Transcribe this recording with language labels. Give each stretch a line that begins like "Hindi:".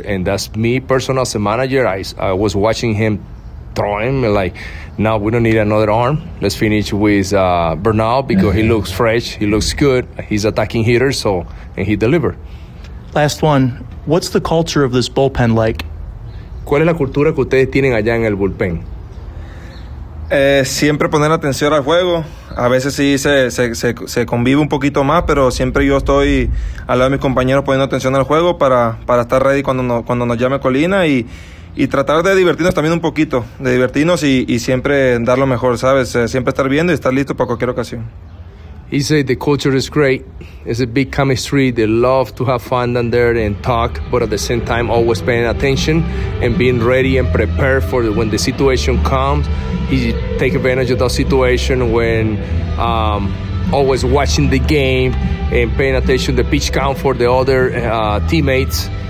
English: And that's me personal as a manager. I was watching him throw him and now we don't need another arm. Let's finish with Bernal because he looks fresh, he looks good, he's attacking hitter, so, and he delivered. Last one, what's the culture of this bullpen like?
Spanish: ¿Cuál es la cultura que ustedes tienen allá en el bullpen? Siempre poner atención al juego. A veces sí se convive un poquito más, pero siempre yo estoy al lado de mis compañeros poniendo atención al juego para estar ready cuando nos llame Colina y tratar de divertirnos también un poquito, de divertirnos y siempre dar lo mejor, ¿sabes? Siempre estar viendo y estar listo para cualquier ocasión.
English: He said the culture is great. It's a big chemistry. They love to have fun down there and talk, but at the same time, always paying attention and being ready and prepared for when the situation comes. He take advantage of the situation when always watching the game and paying attention to the pitch count for the other teammates.